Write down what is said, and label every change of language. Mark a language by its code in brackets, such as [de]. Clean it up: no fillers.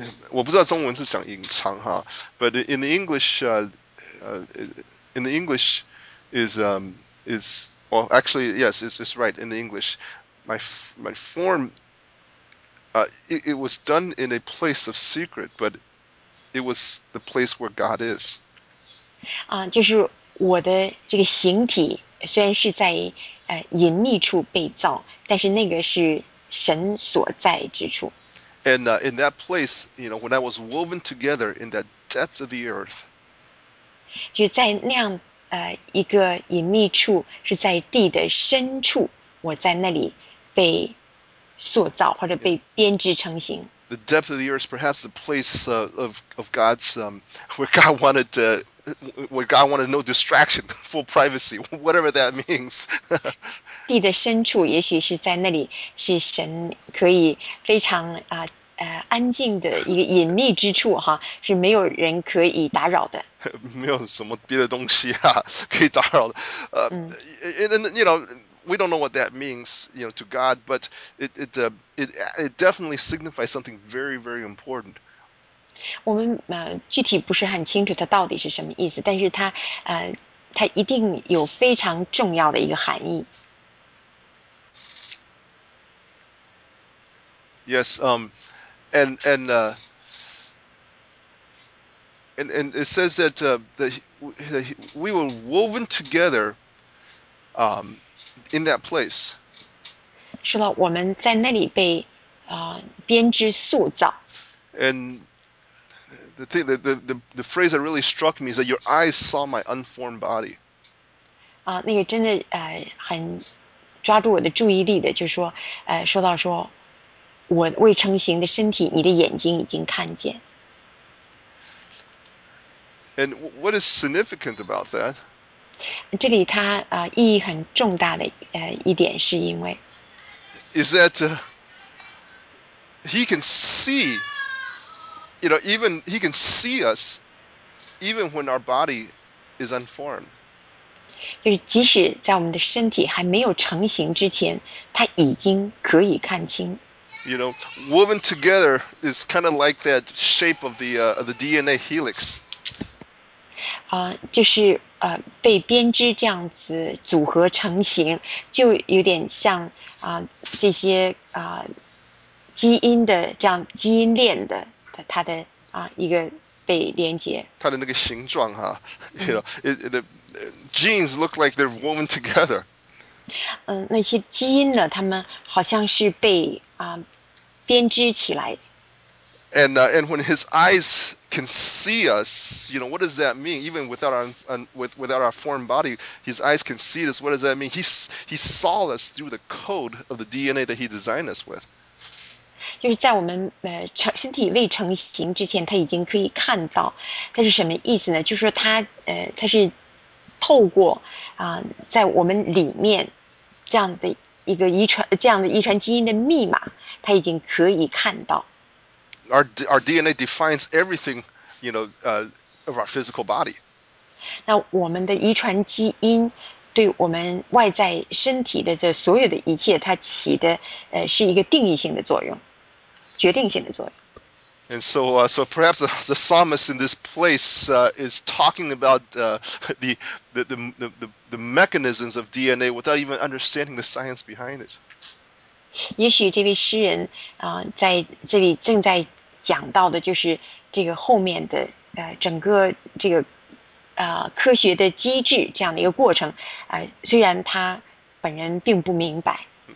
[zh] 我不知道中文是讲隐藏哈 [en] ，but in the English, in the English is well actually yes it's right in the English. My form, it was done in a place of secret, but it was the place where God is. [zh] 就是我的这个形体虽然是在隐秘处被造，但是那个是神所在之处。 [en] And in that place, you know, when I was woven together in that depth of the earth, [zh] 就在那样一个隐秘处，是在地的深处，我在那里被塑造或者被编织成型。 [en] The depth of the earth, perhaps the place of God's where God wanted no distraction, full privacy, whatever that means. [zh] 地的深处，也许是在那里，是神可以非常安静的一个隐秘之处哈，是没有人可以打扰的。没有什么别的东西啊，可以打扰的。 [en] And, you know, we don't know what that means, you know, to God, but it definitely signifies something very, very important. [zh] 我们具体不是很清楚它到底是什么意思，但是它它一定有非常重要的一个含义。 [en] Yes, and it says that that we were woven together in that place. [zh] 是了，我们在那里被编织塑造。 [en] And the thing that the phrase that really struck me is that your eyes saw my unformed body. [zh] 那个真的很抓住我的注意力的，就是说说到说。我未成形的身体，你的眼睛已经看见。 [en] And what is significant about that? [zh] 这里它意义很重大的一点是因为 [en] is that he can see, you know, even he can see us even when our body is unformed. [zh] 就是即使在我们的身体还没有成形之前，他已经可以看清。 [en] You know, woven together is kind of like that shape of the DNA helix. [zh] 就是被编织这样子组合成型，就有点像这些基因的这样基因链的它的一个被连接。它的那个形状哈， [en] you know, the genes look like they're woven together. [zh] 那些基因呢，它们好像是被编织起来。 [en] And when his eyes can see us, you know, what does that mean? Even without our without our foreign body, his eyes can see us. What does that mean? He saw us through the code of the DNA that he designed us with. [zh] 就是在我们身体未成型之前，他已经可以看到。它是什么意思呢？就是说他他是透过在我们里面这样的一个遗传这样的遗传基因的密码。他已经可以看到。 [en] Our DNA defines everything, you know, of our physical body. [zh] 那我们的遗传基因对我们外在身体的这所有的一切，它起的是一个定义性的作用，决定性的作用。 [en] And so, so perhaps the psalmist in this place is talking about the mechanisms of DNA without even understanding the science behind it. [zh] 也许这位诗人在这里正在讲到的就是这个后面的整个这个科学的机制这样的一个过程虽然他本人并不明白。